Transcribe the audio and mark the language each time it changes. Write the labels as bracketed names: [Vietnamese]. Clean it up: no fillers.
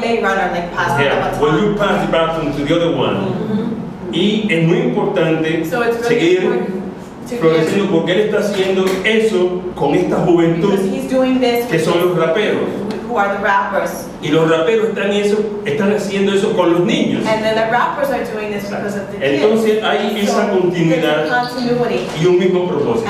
[English] Relay runner, like pass the baton to the other one. Mm-hmm. [Spanish] Y es muy importante seguir progresando, porque él está haciendo eso con esta juventud, que son los raperos. [English] Who are the rappers. [Spanish] Y los raperos están, eso, están haciendo eso con los niños. [English] And then the rappers are doing this because of the kids. [Spanish] Entonces hay esa continuidad y un mismo propósito.